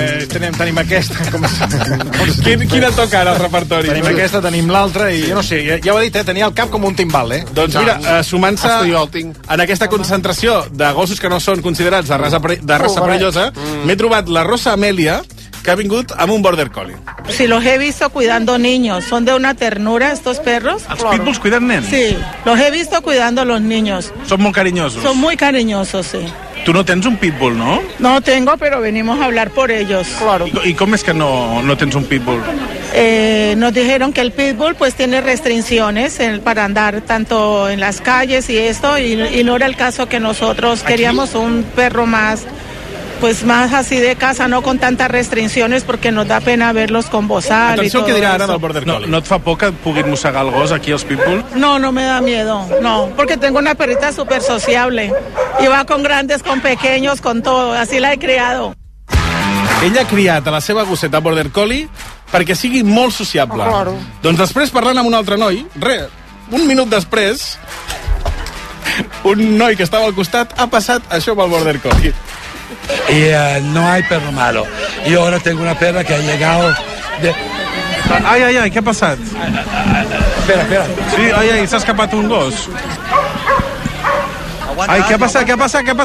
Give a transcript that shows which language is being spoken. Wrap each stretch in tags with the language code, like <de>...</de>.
<ca>Tenim aquesta. Quina toca ara al repertori? Tenim aquesta, tenim l'altra i... Jo no sé, ja ho he dit, tenia el cap com un timbal, Doncs mira, sumant-se en aquesta concentració de gossos que no són considerats de raça perillosa, m'he trovat la Rosa Amèlia, que ha vingut amb un border collie.</ca> <es>Sí, los he visto cuidando niños. Son de una ternura, estos perros.</es> <ca>Els pitbulls cuiden nens?</ca> <es>Sí, los he visto cuidando los niños. Son muy cariñosos. Son muy cariñosos, sí.</es> <ca>Tu no tens un pitbull, no?</ca> <es>No tengo, pero venimos a hablar por ellos. Claro.</es> <ca>I com és que no tens un pitbull?</ca> <es>Nos dijeron que el pitbull pues tiene restricciones para andar tanto en las calles y esto, y no era el caso que nosotros queríamos un perro más... Pues más así de casa, no con tantas restricciones, porque nos da pena verlos con bozal.</es> <ca>Atenció,</ca> <es>y todo.</es> <ca>Què dirà ara del border collie? No et fa por que et puguin mossegar el gos aquí als pitbull?</ca> <es>No me da miedo, no, porque tengo una perrita súper sociable. Y va con grandes, con pequeños, con todo, así la he criado.</es> <ca>Ella ha criat a la seva gosseta border collie perquè sigui molt sociable.</ca> <es>Claro.</es> <ca>Doncs després, parlant amb un altre noi, un minut després, un noi que estava al costat ha passat això pel border collie.</ca> <es>Y no hay perro malo. Y ahora tengo una perra que ha llegado de... Ay, ay, ay, ¿qué ha pasado? Espera. Sí, ay, ay, se ha escapado un gos. Ay, ¿qué ha pasado? ¿Qué ha pasado?</es>